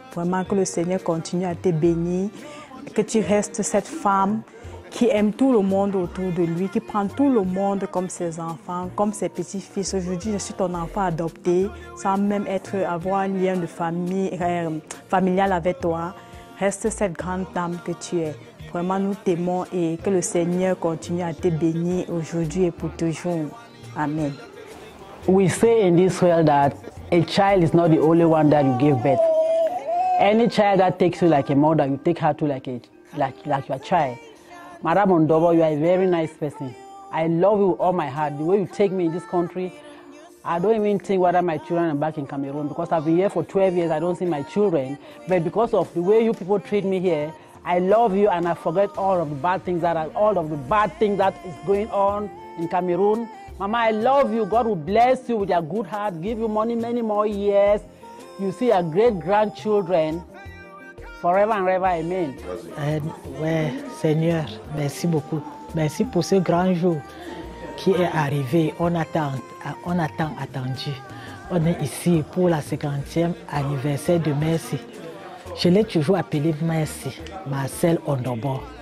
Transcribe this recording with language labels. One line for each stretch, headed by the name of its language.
French: Vraiment, que le Seigneur continue à te bénir, que tu restes cette femme qui aime tout le monde autour de lui, qui prend tout le monde comme ses enfants, comme ses petits-fils. Aujourd'hui, je suis ton enfant adopté, sans même avoir un lien de famille, familial avec toi. Reste cette grande dame que tu es. Vraiment, nous t'aimons et que le Seigneur continue à te bénir aujourd'hui et pour toujours. Amen.
English: We say in this world that a child is not the only one that you give birth. Any child that takes you like a mother, you take her too like your child. Madame Ondobo, you are a very nice person. I love you with all my heart. The way you take me in this country, I don't even think whether my children are back in Cameroon because I've been here for 12 years, I don't see my children. But because of the way you people treat me here, I love you and I forget all of the bad things that is going on in Cameroon. Mama, I love you. God will bless you with your good heart, give you money many more years. You see your great-grandchildren forever and ever. Amen.
French: Ouais, Seigneur, merci beaucoup. Merci pour ce grand jour qui est arrivé. On attend. On est ici pour la 50e anniversaire de Mercy. Je l'ai toujours appelé Mercy, Marcelle Ondobo.